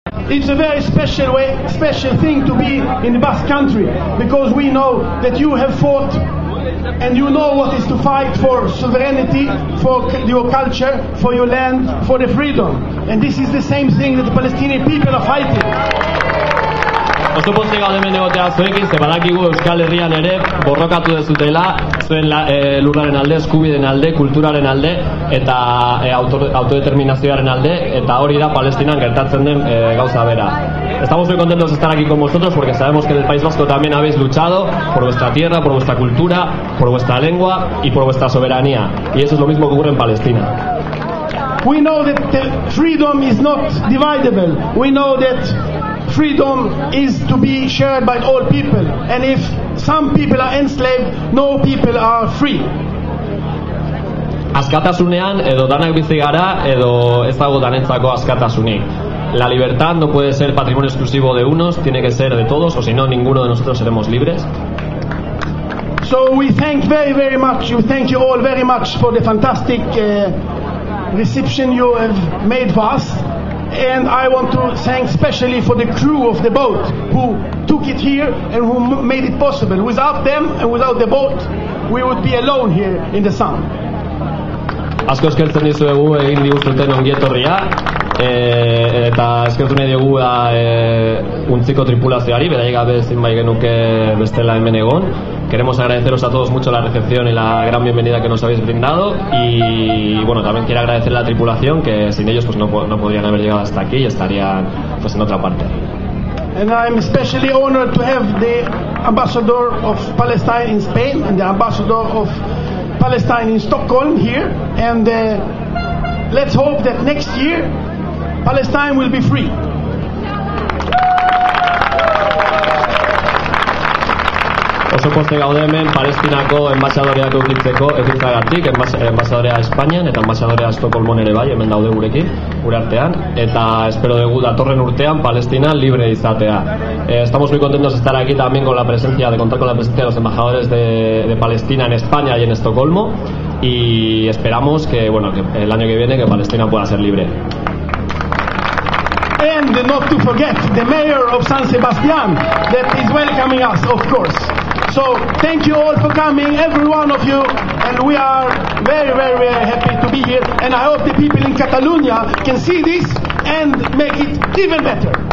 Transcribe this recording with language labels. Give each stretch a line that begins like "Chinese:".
English: It's a very special way, special thing to be in the Basque Country, because we know that you have fought and you know what is to fight for sovereignty, for your culture, for your land, for the freedom. And this is the same thing that the Palestinian people are fighting.
Basque: Oso pozik gaude hemen egotea zuekin, ze badakigu Euskal Herrian ere borrokatu dezutela zuen lurraren alde, eskubideen alde, kulturaren alde eta autodeterminazioaren alde, eta hori da Palestinan gertatzen den gauza bera.
Spanish: Estamos muy contentos de estar aquí con vosotros porque sabemos que en el País Vasco también habéis luchado por vuestra tierra, por vuestra cultura, por vuestra lengua y por vuestra soberanía. Y eso es lo mismo que ocurre en Palestina.
English: We know that the freedom is not dividable. We know that freedom is to be shared by all people, and if some people are enslaved, no people are free.
Basque: Askatasunean edo danak bizi gara edo ez dago danentzako askatasunik.
Spanish: La libertad no puede ser patrimonio exclusivo de unos, tiene que ser de todos, o si no, ninguno de nosotros seremos libres.
English: So we thank very, very much. We thank you all very much for the fantastic reception you have made for us. And I want to thank especially for the crew of the boat who took it here and who made it possible. Without them and without the boat, we would be alone here in the sun.
Basque: Asko eskertzen dizuegu egin diguzuten ongietorria, eta eskertu nahi dugu untziko tripulazioari, beraik gabe ezin bai genuke bestela hemen egon.
Spanish: Queremos agradeceros a todos mucho la recepción y la gran bienvenida que nos habéis brindado y bueno, también quiero agradecer a la tripulación que sin ellos pues no podrían haber llegado hasta aquí y estarían pues en otra parte.
English: And I'm especially honored to have the ambassador of Palestine in Spain and the ambassador of Palestine in Stockholm here, and let's hope that next year Palestine will be free.
Basque: Oso poste gaude hemen Palestinako enbasadoreak aukitzeko ekintzagatik, enbasadorea Espainian eta enbasadorea Estocolmon ere bai, hemen daude gurekin, gure artean, eta espero dugu datorren urtean Palestina libre izatea.
Spanish: Estamos muy contentos de estar aquí también con la presencia, de contar con la presencia de los embajadores de Palestina en España y en Estocolmo, y esperamos que, bueno, que el año que viene que Palestina pueda ser libre.
English: And not to forget the mayor of San Sebastián that is welcoming us, of course. So thank you all for coming, every one of you, and we are very, very, very happy to be here. And I hope the people in Catalonia can see this and make it even better.